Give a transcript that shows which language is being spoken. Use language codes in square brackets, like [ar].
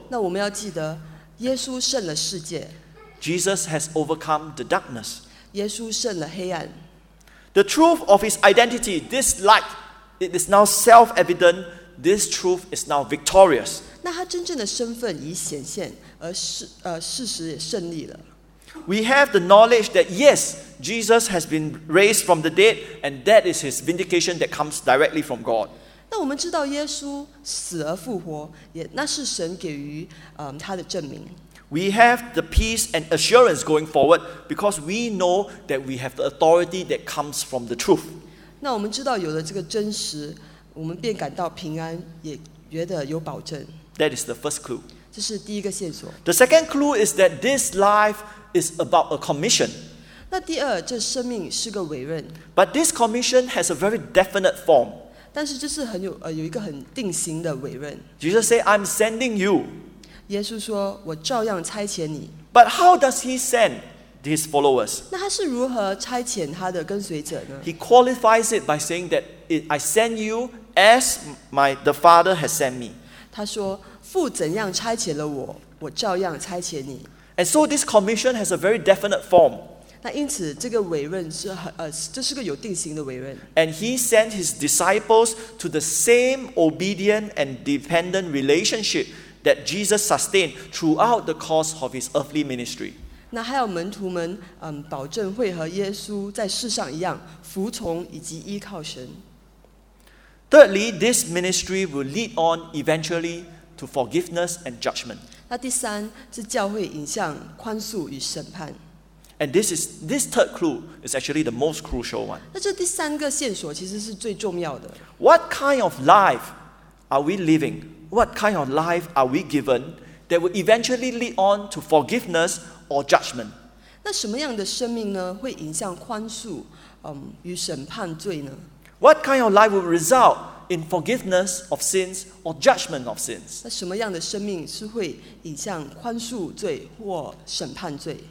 [zh] 那我们要记得，耶稣胜了世界。 [en] Jesus has overcome the darkness. [zh] 耶稣胜了黑暗。 [en] The truth of his identity, this light, it is now self-evident. This truth is now victorious. [zh] 那他真正的身份已显现，而事实也胜利了。 [en] We have the knowledge that yes, Jesus has been raised from the dead, and that is his vindication that comes directly from God. [zh] 那我们知道耶稣死而复活，也那是神给予他的证明。 [en] We have the peace and assurance going forward because we know that we have the authority that comes from the truth. [zh] 那我们知道有了这个真实，我们便感到平安，也觉得有保证。 [en] That is the first clue. [zh] 这是第一个线索。 [en] The second clue is that this life. Is about a commission. [zh] 那第二，这生命是个委任。 [en] But this commission has a very definite form. [zh] 但是这是很有有一个很定型的委任。 [en] Jesus say, "I'm sending you." [zh] 耶稣说，我照样差遣你。 [en] But how does he send his followers? [zh] 那他是如何差遣他的跟随者呢？ [en] He qualifies it by saying that I send you as the Father has sent me. [zh] 他说，父怎样差遣了我，我照样差遣你。 [en] And so this commission has a very definite form. [zh] 那因此这个委任是这是个有定型的委任。 [en] And he sent his disciples to the same obedient and dependent relationship that Jesus sustained throughout the course of his earthly ministry. [zh] 那还有门徒们保证会和耶稣在世上一样服从以及依靠神。 [en] Thirdly, this ministry will lead on eventually to forgiveness and judgment. [zh] 那第三是教会引向宽恕与审判。 [en] And this third clue is actually the most crucial one. [zh] 那这第三个线索其实是最重要的。 [en] What kind of life are we living? What kind of life are we given that will eventually lead on to forgiveness or judgment? [zh] 那什么样的生命呢会引向宽恕与审判罪呢？ [en] What kind of life will resultIn forgiveness of sins or judgment of sins. [zh] 那什么样的生命是会引向宽恕罪或审判罪？